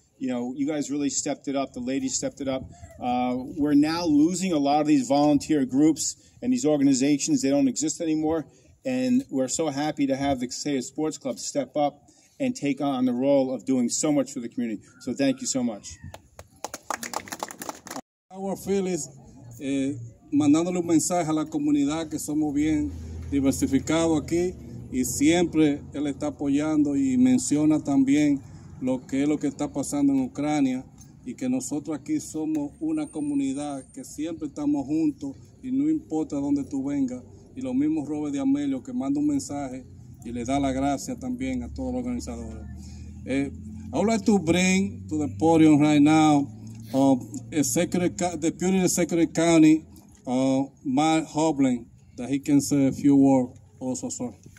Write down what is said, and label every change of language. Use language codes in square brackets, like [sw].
[en] You know, you guys really stepped it up. The ladies stepped it up. We're now losing a lot of these volunteer groups and these organizations. They don't exist anymore. And we're so happy to have the Kaseya Sports Club step up and take on the role of doing so much for the community. So thank you so much. Our feel is [es] mandándole un mensaje a la comunidad que somos bien diversificados aquí y siempre él está apoyando y menciona también lo que es lo que está pasando en Ucrania y que nosotros aquí somos una comunidad que siempre estamos juntos y no importa dónde tú vengas. Y lo mismo Robert de Amelio que manda un mensaje y le da la gracia también a todos los organizadores. [en] I would like to bring to the podium right now Deputy Secretary of County, Mark Hoblin, that he can say a few words also, sir.